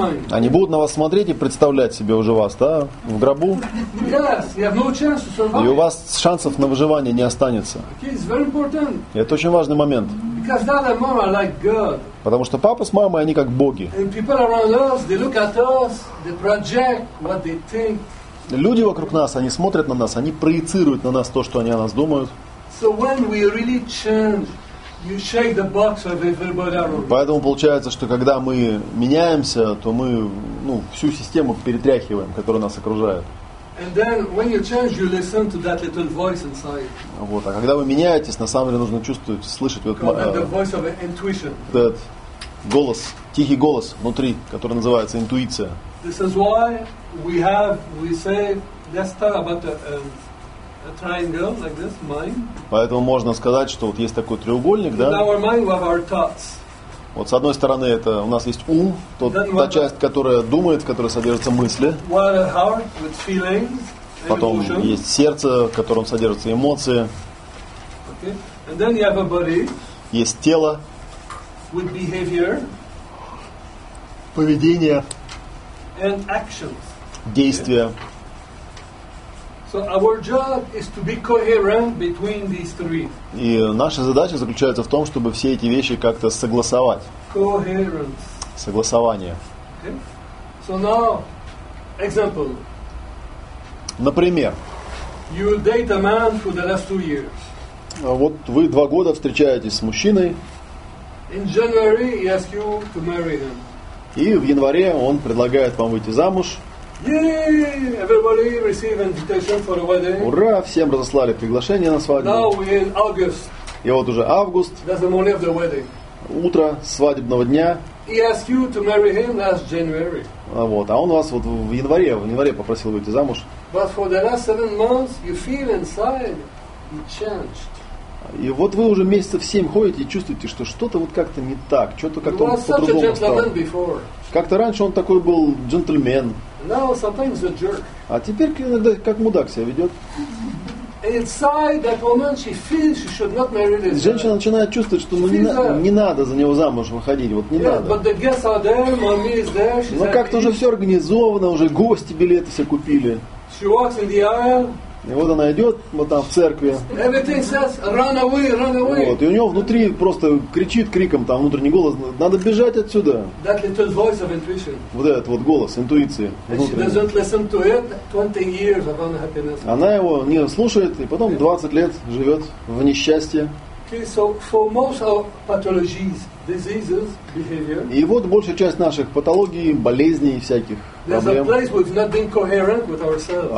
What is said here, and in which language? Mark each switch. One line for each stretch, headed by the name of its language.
Russian: Они будут на вас смотреть и представлять себе уже вас, да, в гробу.
English: Yes, you have no chance to survive.
Russian: И у вас шансов на выживание не останется.
English: Okay, it's very important.
Russian: Это очень важный момент.
English: Because dad and mom are like God.
Russian: Потому что папа с мамой, они как боги.
English: And people around us, they look at us, they project what they think.
Russian: Люди вокруг нас, они смотрят на нас, они проецируют на нас то, что они о нас думают.
English: So when we really change, you shake the box of everybody around.
Russian: Поэтому получается, что когда мы меняемся, то мы всю систему перетряхиваем, которая нас окружает.
English: And then when you change, you listen to that little voice inside.
Russian: Вот. А когда вы меняетесь, на самом деле нужно чувствовать, слышать вот
English: the voice of intuition.
Russian: That голос, тихий голос внутри, который называется интуиция.
English: This is why we say let's talk about the a triangle like this, mind.
Russian: Поэтому можно сказать, что вот есть такой треугольник, да?
English: In our mind, we have our thoughts.
Russian: Вот с одной стороны, это у нас есть ум, та часть, которая думает, в которой содержатся мысли.
English: While the heart with feelings,
Russian: потом
English: emotion.
Russian: Есть сердце, в котором содержатся эмоции.
English: Okay. And then you have a body.
Russian: Есть тело.
English: With behavior.
Russian: Поведение.
English: And actions.
Russian: Действия. Okay.
English: So our job is to be coherent between these three.
Russian: И наша задача заключается в том, чтобы все эти вещи как-то согласовать.
English: Coherence.
Russian: Согласование.
English: Okay. So now, example.
Russian: Например.
English: You date a man for the last 2 years.
Russian: Вот вы 2 года встречаетесь с мужчиной.
English: In January he asks you to marry him.
Russian: И в январе он предлагает вам выйти замуж.
English: Yay! Everybody received an invitation for a wedding.
Russian: Ура! Всем разослали приглашение на свадьбу.
English: Now we're in August.
Russian: И вот уже август.
English: That's the morning of the wedding.
Russian: Утро свадебного дня.
English: He asked you to marry him last January.
Russian: А он вас вот в январе попросил выйти замуж.
English: But for the last 7 months, you feel inside you changed.
Russian: И вот вы уже месяцев 7 ходите и чувствуете, что что-то вот как-то не так, что-то как-то он по-другому стал. Как-то раньше он такой был джентльмен.
English: Now sometimes a jerk.
Russian: А теперь иногда как мудак себя ведет.
English: Inside that woman, she feels she should not marry this guy.
Russian: Женщина начинает чувствовать, что не надо за него замуж выходить, вот не надо.
English: But the guests are there, mommy is there, she's happy.
Russian: Ну как-то уже все организовано, уже гости билеты все купили.
English: She walks in the aisle.
Russian: И вот она идет вот там в церкви.
English: Everything says run away, run away.
Russian: Вот, и у него внутри просто кричит криком, там внутренний голос, надо бежать отсюда.
English: That little voice of intuition.
Russian: Вот этот вот голос интуиции. Внутренний.
English: And she doesn't listen to it 20 years of unhappiness.
Russian: Она его не слушает, и потом 20 лет живет в несчастье.
English: Okay, so for most of pathologies, diseases, behavior.
Russian: И вот большая часть наших патологий, болезней всяких.
English: There's a place we've not been coherent with ourselves.